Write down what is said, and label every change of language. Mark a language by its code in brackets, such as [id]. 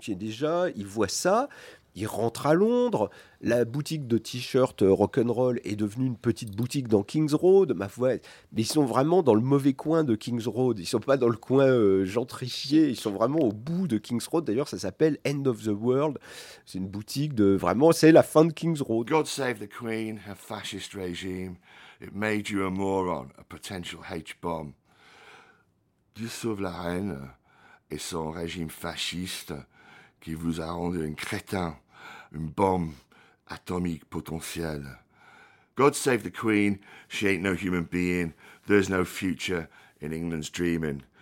[fr] Donc il voit ça. Il rentre à Londres, la boutique de t-shirts rock'n'roll est devenue une petite boutique dans King's Road, ma foi. Mais ils sont vraiment dans le mauvais coin de King's Road, ils ne sont pas dans le coin gentrifié, ils sont vraiment au bout de King's Road. D'ailleurs, ça s'appelle End of the World, c'est une boutique de vraiment, c'est la fin de King's Road. [en] God save the Queen, a fascist regime, it made you a moron, a potential H-bomb. [fr] Dieu sauve la reine et son régime fasciste. Qui vous a rendu un crétin, une bombe atomique potentielle. [en] God save the Queen, she ain't no human being, there's no future in England's dreaming.